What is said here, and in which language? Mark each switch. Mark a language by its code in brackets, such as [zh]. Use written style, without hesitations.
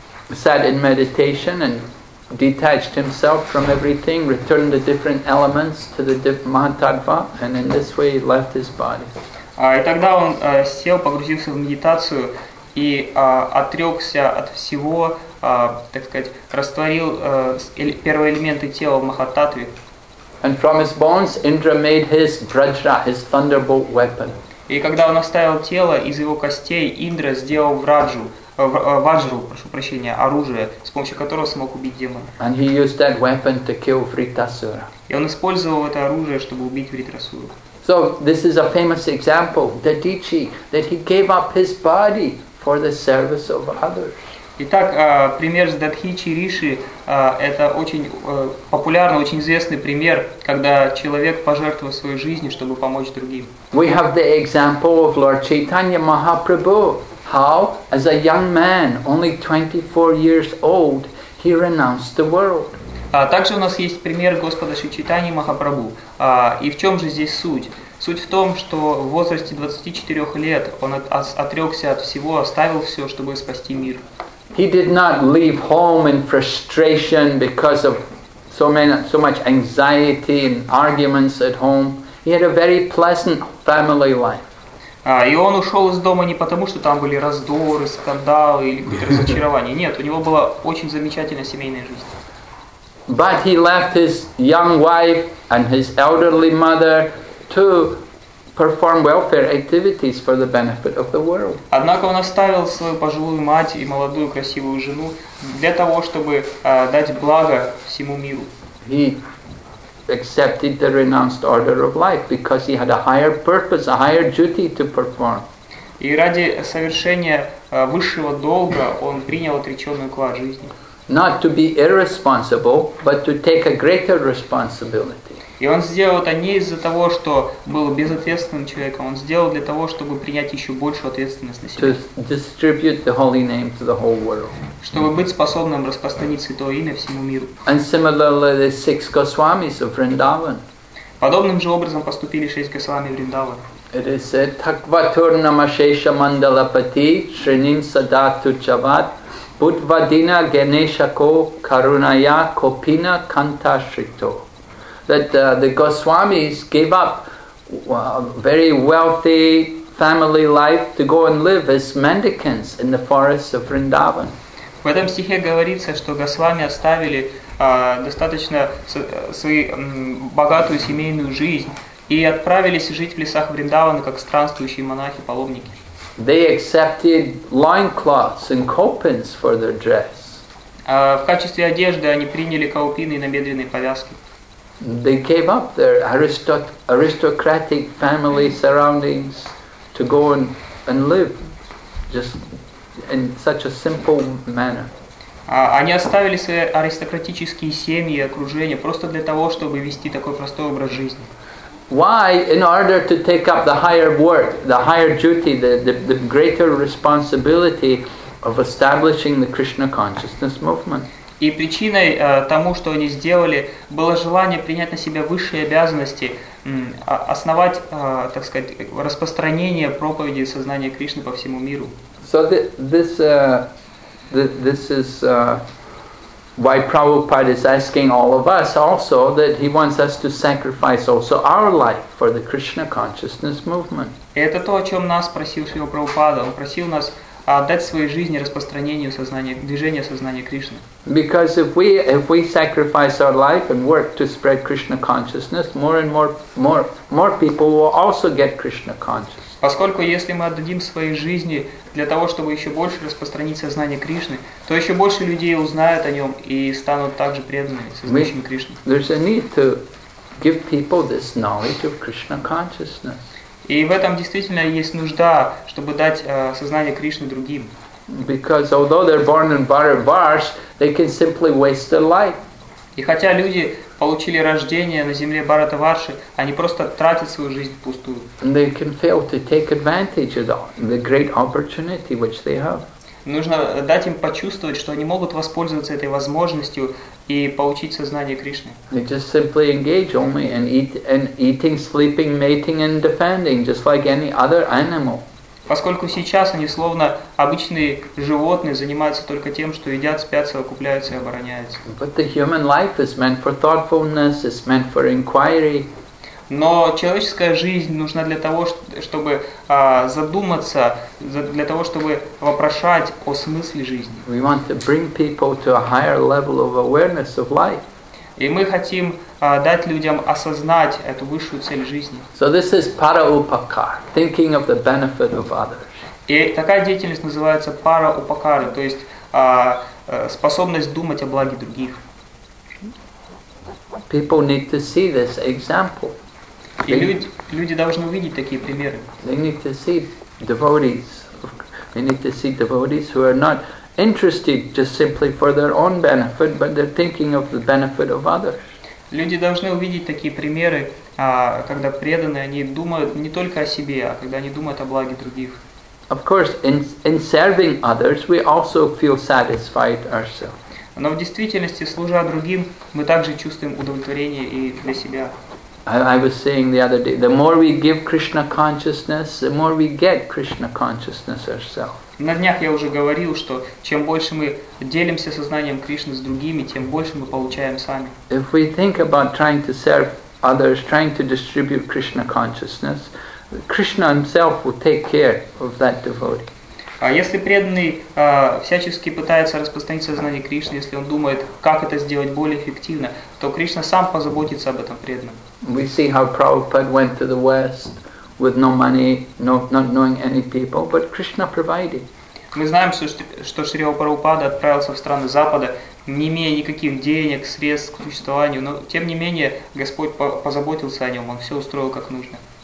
[en] Sat in meditation and detached himself from everything, returned the different elements to the Mahatattva, and in this way he left his body. [ru] И тогда он сел, погрузился в медитацию и отрекся от всего, так сказать, растворил первые элементы тела в Махаттатве. [en] And from his bones, Indra made his vajra, his thunderbolt weapon. [ru] И когда он оставил тело, из его костей Индра сделал ваджру, прошу прощения, оружие, с помощью которого смог убить демона. [en] And he used that weapon to kill Vritasura. [ru] И он использовал это оружие, чтобы убить Вритасуру. [en] So this is a famous example, Dadichi, that he gave up his body for the service of others. [ru] Итак, пример с Дадхичи Риши – это очень популярный, очень известный пример, когда человек пожертвовал своей жизнью, чтобы помочь другим. [en] We have the example of Lord Chaitanya Mahaprabhu. how, as a young man, only 24 years old, he renounced the world. [ru] Также у нас есть пример Господа Шичитани Махапрабху. И в чем же здесь суть? Суть в том, что в возрасте 24 лет он отрекся от всего, оставил все, чтобы спасти мир. [en] He did not leave home in frustration because of so much anxiety and arguments at home. He had a very pleasant family life. [ru] И он ушел из дома не потому, что там были раздоры, скандалы или какие-то разочарования. Нет, у него была очень замечательная семейная жизнь. [en] But he left his young wife and his elderly mother to perform welfare activities for the benefit of the world. [ru] Однако он оставил свою пожилую мать и молодую красивую жену для того, чтобы дать благо всему миру. [en] He accepted the renounced order of life because he had a higher purpose, a higher duty to perform. [ru] И ради совершения высшего долга он принял отреченный уклад жизни. [en] Not to be irresponsible, but to take a greater responsibility. [ru] И он сделал это не из-за того, что был безответственным человеком, он сделал для того, чтобы принять еще большую ответственность на себя. [en] To distribute the holy name to the whole world. [ru] Чтобы быть способным распространить святое имя всему миру. [en] And similarly, the six Goswamis of Vrindavan. [ru] Подобным же образом поступили шесть Госвами Вриндавана. [en] It is said, [sa] Takvatur namashesha mandalapati, shrinim sadatu chavat, Budvadina Geneshako Karunaya Kopina Kantashrito. [en] That the Goswamis gave up very wealthy family life to go and live as mendicants in the forests of Vrindavan. [ru] В этом стихе говорится, что Госвами оставили достаточно свою богатую семейную жизнь и отправились жить в лесах Вриндавана как странствующие монахи-паломники. [en] They accepted loincloths and kopins for their dress. [ru] В качестве одежды они приняли каупины и набедренные повязки. [en] They gave up their aristocratic family surroundings to go and live just in such a simple manner. [ru] Они оставили свои аристократические семьи и окружение просто для того, чтобы вести такой простой образ жизни. [en] Why, in order to take up the higher work, the higher duty, the greater responsibility of establishing the Krishna consciousness movement? [ru] И причиной тому, что они сделали, было желание принять на себя высшие обязанности, основать, так сказать, распространение проповеди сознания Кришны по всему миру. [en] So this is why Prabhupada is asking all of us also that he wants us to sacrifice also our life for the Krishna consciousness movement. [ru] Это то, о чем нас просил Шрила Прабхупада. Он просил нас отдать своей жизни распространению сознания, движению сознания Кришны. [en] Because if we sacrifice our life and work to spread Krishna consciousness, more and more people will also get Krishna consciousness. [ru] Поскольку если мы отдадим свои жизни для того, чтобы еще больше распространить сознание Кришны, то еще больше людей узнают о нем и станут также преданными сознанием Кришны. [en] There's a need to give people this knowledge of Krishna consciousness. [ru] И в этом действительно есть нужда, чтобы дать сознание Кришны другим. [en] Because although they're born in Bharatvarsh, they can simply waste their life. [ru] И хотя люди получили рождение на земле Бхаратаварши, они просто тратят свою жизнь впустую. [en] They can fail to take advantage of the great opportunity which they have. [ru] Нужно дать им почувствовать, что они могут воспользоваться этой возможностью и получить сознание Кришны. [en] They just simply engage only in eating, sleeping, mating and defending, just like any other animal. [ru] Поскольку сейчас они словно обычные животные занимаются только тем, что едят, спят, совокупляются и обороняются. [en] But the human life is meant for thoughtfulness, it's meant for inquiry. [ru] Но человеческая жизнь нужна для того, чтобы задуматься, для того, чтобы вопрошать о смысле жизни. [en] We want to bring people to a higher level of awareness of life. [ru] И мы хотим дать людям осознать эту высшую цель жизни. [en] So this is para-upakar, thinking of the benefit of others. [ru] И такая деятельность называется para-upakara, то есть способность думать о благе других. [en] People need to see this example. [ru] И люди должны увидеть такие примеры. [en] They need to see devotees. They need to see devotees who are not interested just simply for their own benefit, but they're thinking of the benefit of others. [ru] Люди должны увидеть такие примеры, когда преданные, они думают не только о себе, а когда они думают о благе других. [en] Of course, in serving others, we also feel satisfied ourselves. [ru] Но в действительности, служа другим, мы также чувствуем удовлетворение и для себя. [en] I was saying the other day, the more we give Krishna consciousness, the more we get Krishna consciousness ourselves. [ru] На днях я уже говорил, что чем больше мы делимся сознанием Кришны с другими, тем больше мы получаем сами. [en] If we think about trying to serve others, trying to distribute Krishna consciousness, Krishna himself will take care of that devotee. [ru] А если преданный всячески пытается распространить сознание Кришны, если он думает, как это сделать более эффективно, то Кришна сам позаботится об этом преданном. [en] We see how Prabhupada went to the West with no money, not knowing any people, but Krishna provided. [ru] Мы знаем, что Шри Прабхупада отправился в страны Запада, не имея никаких денег, средств к существованию, но тем не менее Господь позаботился о нем, он все устроил как нужно.